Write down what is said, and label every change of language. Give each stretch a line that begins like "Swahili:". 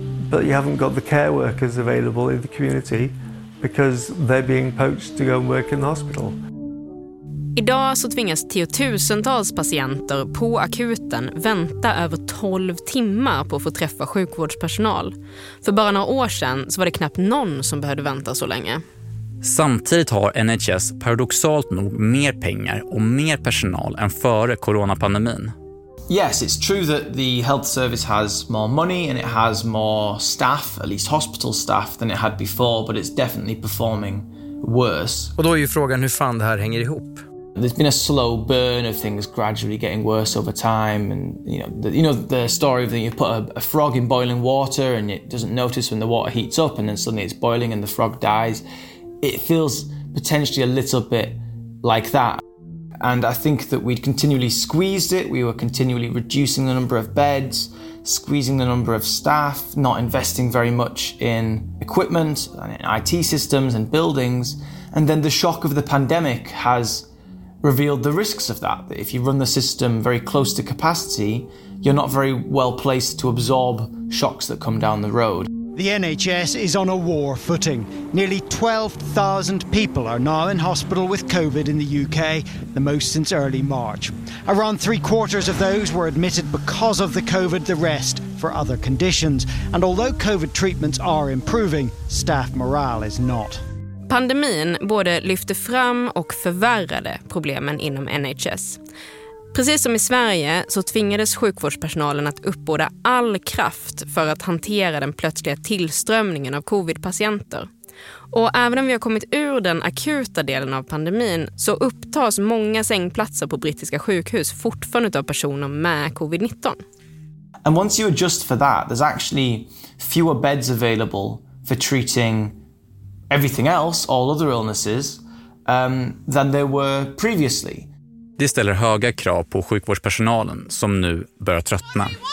English: But you haven't got the care workers available in the community because they're being poached to go and work in the hospital.
Swedish: Idag så tvingas tiotusentals patienter på akuten vänta över 12 timmar på att få träffa sjukvårdspersonal. För bara några år sedan så var det knappt någon som behövde vänta så länge. Samtidigt har NHS paradoxalt nog mer pengar och mer personal än före coronapandemin.
English: Yes, it's true that the health service has more money and it has more staff, at least hospital staff, than it had before, but it's definitely performing worse.
Swedish: Och då är ju frågan hur fan det här hänger ihop.
English: There's been a slow burn of things gradually getting worse over time, and you know the story of that you put a frog in boiling water and it doesn't notice when the water heats up and then suddenly it's boiling and the frog dies. It feels potentially a little bit like that. And I think that we'd continually squeezed it. We were continually reducing the number of beds, squeezing the number of staff, not investing very much in equipment and in IT systems and buildings. And then the shock of the pandemic has revealed the risks of that. If you run the system very close to capacity, you're not very well placed to absorb shocks that come down the road. The NHS is on a war footing. Nearly 12,000 people are now in hospital with COVID in the UK, the most since early March. Around three quarters of those were admitted because of the COVID, the rest for other conditions. And although COVID treatments are improving, staff morale is not.
Swedish: Pandemin både lyfte fram och förvärrade problemen inom NHS. Precis som i Sverige så tvingades sjukvårdspersonalen att uppbåda all kraft för att hantera den plötsliga tillströmningen av covid-patienter. Och även om vi har kommit ur den akuta delen av pandemin så upptas många sängplatser på brittiska sjukhus fortfarande av personer med covid-19.
English: And once you adjust for that, there's actually fewer beds available for treating everything else, all other illnesses, than there were previously.
Swedish: Det ställer höga krav på sjukvårdspersonalen som nu börjar tröttna.